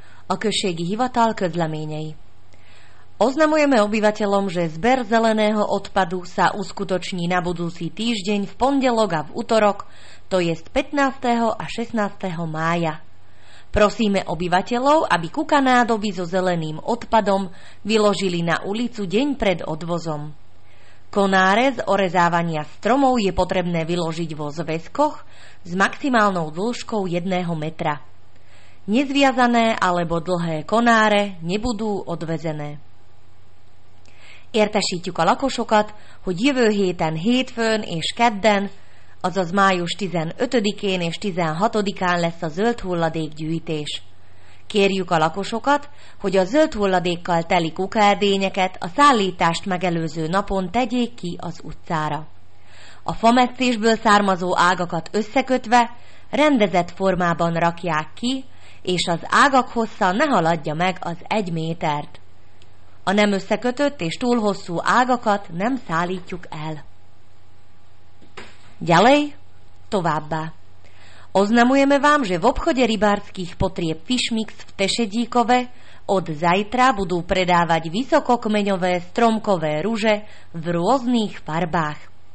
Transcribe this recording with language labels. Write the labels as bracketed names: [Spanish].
[Hungarian] Okršiek Hivatal Közleményei. [Slovak] Oznamujeme obyvateľom, že zber zeleného odpadu sa uskutoční na budúci týždeň v pondelok a v utorok, to jest 15. a 16. mája. Prosíme obyvateľov, aby kuka nádoby so zeleným odpadom vyložili na ulicu deň pred odvozom. Konáre z orezávania stromov je potrebné vyložiť vo zväzkoch s maximálnou dĺžkou 1 metra. Nezviazané alebo dlhé konáre nebudú odvezené. [Hungarian] Értesítjük a lakosokat, hogy jövő héten hétfőn és kedden, azaz május 15-én és 16-án lesz a zöld hulladék gyűjtés. Kérjük a lakosokat, hogy a zöld hulladékkal teli kukaedényeket a szállítást megelőző napon tegyék ki az utcára. A fametszésből származó ágakat összekötve rendezett formában rakják ki, és az ágak hossza ne haladja meg az 1 métert. A nem összekötött és túl hosszú ágakat nem szállítjuk el. [Slovak] Ďalej, [Hungarian] továbbá. [Slovak] Oznamujeme vám, že v obchode rybárskych potrieb Fishmix v Tešedíkove od zajtra budú predávať vysokokmeňové stromkové ruže v rôznych farbách.